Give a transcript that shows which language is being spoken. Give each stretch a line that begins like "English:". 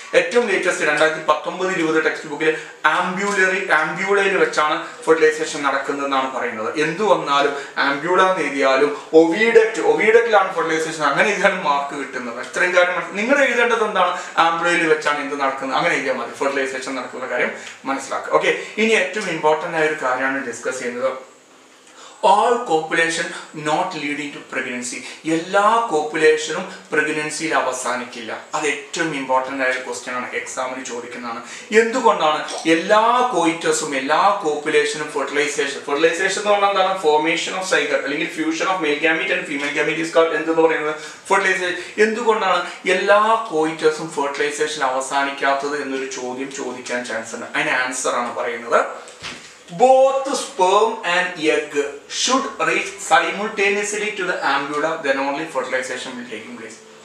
Malayalam: ഏറ്റവും latest 2019-20 text ബുക്കിൽ ആംബ്യൂളറി ആംബ്യൂളയിൽ വെച്ചാണ് ഫെർട്ടിലൈസേഷൻ നടക്കുന്നതെന്നാണ് പറയുന്നത്. എന്ത് വന്നാലും ആംബ്യൂള എന്ന് എഴുതിയാലും ഒവിഡക്ട്, ഒവിഡക്റ്റിലാണ് ഫെർട്ടിലൈസേഷൻ, അങ്ങനെ എഴുതാനും മാർക്ക് കിട്ടുന്നത്. ഇത്രയും കാര്യം നിങ്ങൾ എഴുതേണ്ടത് എന്താണ്, ആംബ്യൂളയിൽ വെച്ചാണ് എന്ത് നടക്കുന്നത്, അങ്ങനെ എഴുതിയാൽ മതി ഫെർട്ടിലൈസേഷൻ നടക്കുന്ന കാര്യം മനസ്സിലാക്കുക. ഓക്കെ, ഇനി ഏറ്റവും ഇമ്പോർട്ടൻ്റ് ആയ ഒരു കാര്യമാണ് ഡിസ്കസ് ചെയ്യുന്നത്.
English: All copulation not leading to pregnancy.
Malayalam: എല്ലാ കോപ്പുലേഷനും പ്രഗ്നൻസിയിൽ അവസാനിക്കില്ല. അത് ഏറ്റവും ഇമ്പോർട്ടൻ്റ് ആയ ക്വസ്റ്റ്യൻ ആണ്, എക്സാമിന് ചോദിക്കുന്നതാണ്. എന്തുകൊണ്ടാണ് എല്ലാ കോയിറ്റസും എല്ലാ കോപ്പുലേഷനും ഫെർട്ടിലൈസേഷൻ, ഫെർട്ടിലൈസേഷൻ എന്ന് പറഞ്ഞാൽ എന്താണ്,
English: formation of zygote അല്ലെങ്കിൽ fusion of male gamete and female gamete is called
Malayalam: എന്തെന്ന് പറയുന്നത്, ഫെർട്ടിലൈസേഷൻ. എന്തുകൊണ്ടാണ് എല്ലാ കോയിറ്റസും ഫെർട്ടിലൈസേഷൻ അവസാനിക്കാത്തത് എന്നൊരു ചോദ്യം ചോദിക്കാൻ ചാൻസ് ഉണ്ട്. അതിന് ആൻസർ ആണ് പറയുന്നത്,
English: both sperm and egg should reach simultaneously to the ambula, then only fertilization will take place.